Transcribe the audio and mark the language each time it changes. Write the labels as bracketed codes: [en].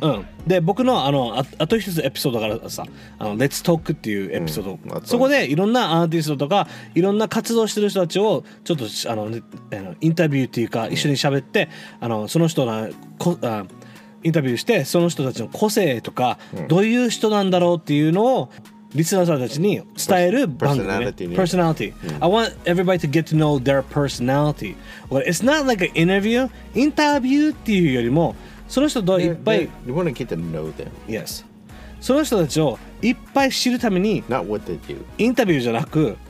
[ja] うん、で僕の あと一つエピソードからさ、あの Let's Talk っていうエピソード、うん、そこでいろんなアーティストとかいろんな活動してる人たちをちょっとあのインタビューっていうか一緒に喋って、うん、あのその人のこあインタビューしてその人たちの個性とか、うん、どういう人なんだろうっていうのをリスナーさんたちに伝える番組ね。 [en] Personality. I want everybody to get to know their personality. Well, it's not like an interview. [ja] インタビューっていうよりも、その人といっぱい。 [en] You want to get to know them. Yes. [ja] その人たちをいっぱい知るために。 [en] Not what they do. [ja] インタビューじゃなく。